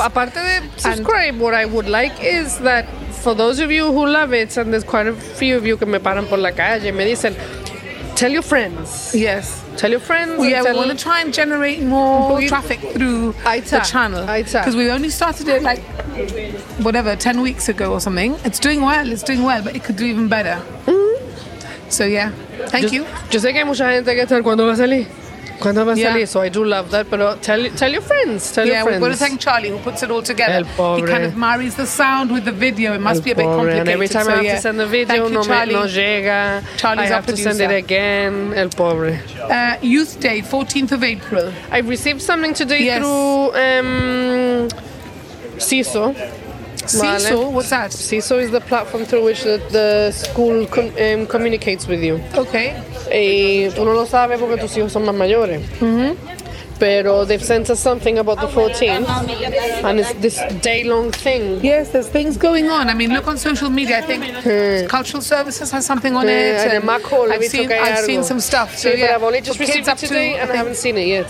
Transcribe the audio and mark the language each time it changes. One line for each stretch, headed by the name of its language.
Spanish: Aparte de
English: subscribe, what I would like is that for those of you who love it, and there's quite a few of you
Spanish: que me paran por la calle, me dicen,
English: tell your friends. Yes. Tell your friends. Well, yeah, we want to try and generate more traffic through the channel. Because we only started it like, whatever, 10 weeks ago or something. It's doing well, but it could do even better. So, yeah. Thank you.
Spanish: Yo sé que hay mucha gente que está, ¿cuándo va a salir? ¿Cuándo va a salir?
English: Yeah. So I do love that, but tell your friends. We're going to thank Charlie, who puts it all together.
Spanish: El pobre.
English: He kind of marries the sound with the video. It must be a bit complicated. And every time I have to send the video,
Spanish: no llega.
English: Charlie's our producer. I have to send it again.
Spanish: El pobre.
English: Youth Day, 14th of April. I received something today through CISO. CISO, what's that? CISO is the platform through which the school communicates with you. Okay.
Spanish: Y tú no lo sabes porque tus hijos son más mayores. Mm-hmm.
English: Pero they've sent us something about the 14th, and it's this day-long thing. Yes, there's things going on. I mean, look on social media. I think cultural services has something on it. And I've seen some stuff. So, yeah, but I've only just received it today, and I haven't seen it yet.